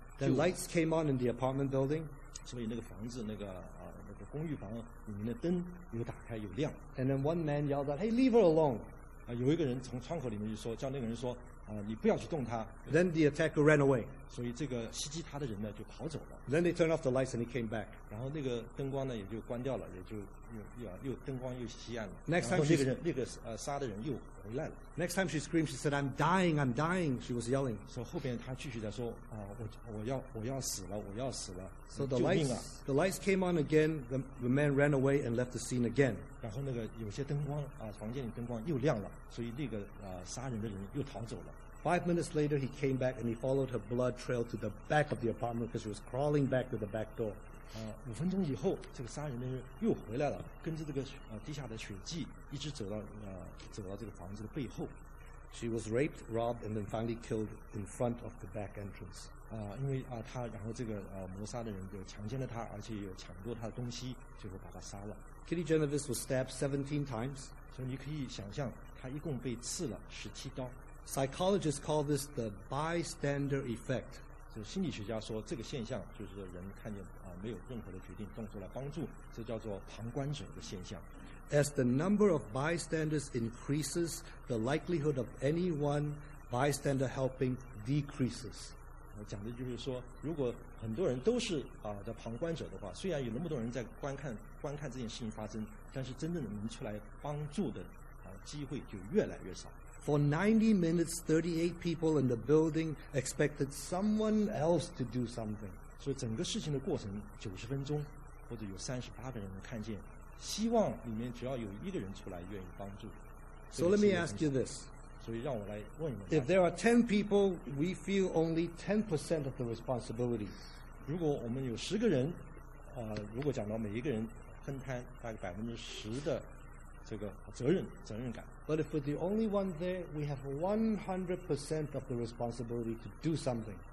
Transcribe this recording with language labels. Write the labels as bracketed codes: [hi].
[en] The lights came on in the apartment building. [zh] 所以那个房子，那个公寓房里面的灯有打开有亮。 [en] And then one man yelled out, "Hey, leave her alone!" [zh] 有一个人从窗口里面就说，叫那个人说，你不要去动她。 [en] Then the attacker ran away. [zh] 所以这个袭击他的人呢就跑走了。 [en] Then they turned off the lights and he came back. [zh] 然后那个灯光呢也就关掉了，也就又灯光又熄暗了。 [en] Next time [zh] 杀的人又回来了。 [en] Next time she screamed, she said, "I'm dying, I'm dying." She was yelling. [zh] 所以后边他继续在说，我要死了。 [en] So the lights came on again. The man ran away and left the scene again. [zh] 然后那个有些灯光房间里灯光又亮了，所以那个杀人的人又逃走了。 [en] 5 minutes later, he came back and he followed her blood trail to the back of the apartment because she was crawling back to the back door. [zh] 五分钟以后，这个杀人的人又回来了，跟着这个地下的血迹，一直走到这个房子的背后。 [en] She was raped, robbed, and then finally killed in front of the back entrance. [zh] 因为他然后这个谋杀的人就强奸了他，而且又抢夺他的东西，最后把他杀了。 [en] Kitty Genovese was stabbed 17 times. [zh] 所以你可以想象，他一共被刺了17刀。 [en] Psychologists call this the bystander effect. [zh] 就心理学家说，这个现象就是人看见没有任何的决定动作来帮助，这叫做旁观者的现象。 [en] As the number of bystanders increases, the likelihood of any one bystander helping decreases. [zh] 讲的就是说，如果很多人都是的旁观者的话，虽然有那么多人在观看这件事情发生，但是真正能出来帮助的机会就越来越少。 [en] For 90 minutes, 38 people in the building expected someone else to do something. [zh] 所以整个事情的过程90分钟，或者有38个人能看见，希望里面只要有一个人出来愿意帮助。 [en] So let me ask you this. [zh] 所以让我来问一问。 [en] If there are 10 people, we feel only 10% of the responsibilities. [zh] 如果我们有10个人，如果讲到每一个人分摊大概10%的这个责任感。 [en] But if we're the only one there, we have 100% of the responsibility to do something.